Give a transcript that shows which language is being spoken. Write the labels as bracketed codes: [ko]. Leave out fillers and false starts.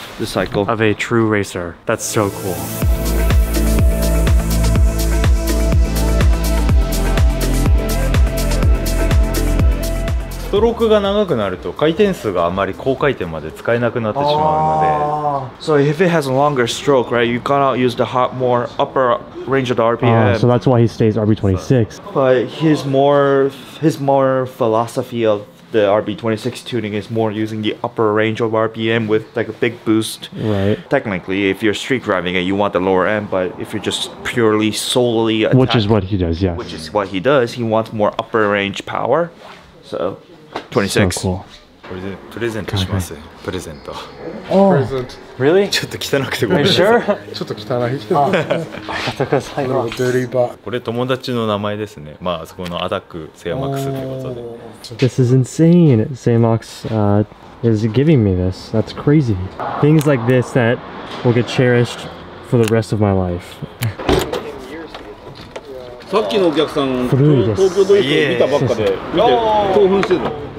[en] The cycle. Of a true racer. That's so cool. [ja] ストロークが長くなると回転数があまり高回転まで使えなくなってしまうので。 [en] So if it has a longer stroke, right, you cannot use the hot more upper range of the RPM. So that's why he stays RB26. But his more philosophy of the RB26 tuning is more using the upper range of RPM with like a big boost. Right. Technically, if you're street driving it, you want the lower end, but if you're just purely solely attacking, which is what he does, yes. Which is what he does, he wants more upper range power. So, 26. So cool. [ja] プレゼントします。プレゼント。プレゼント。 [en] Really? [ja] ちょっと汚くてごめんなさい。 [en] Sure? [ja] ちょっと汚いけど。ありがとうございます。デリバー。これ友達の名前ですね。まあそこのアタックセイマックスということで。 [en] This is insane. Seyamax is giving me this. That's crazy. Things like this that will get cherished for the rest of my life. [ja] さっきのお客さん、東京ドイツ見たばっかで、見て興奮してた。